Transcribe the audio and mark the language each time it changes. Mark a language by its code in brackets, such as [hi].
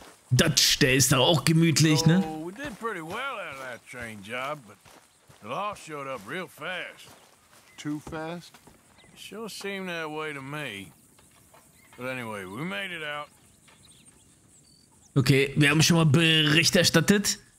[de] Dutch, der ist da auch gemütlich, ne? [en] So, we did pretty well out of that train job, but the law showed up real fast. Too fast? It sure seemed that way to me. But anyway, we made it out. [de] Okay, wir haben schon mal Bericht erstattet.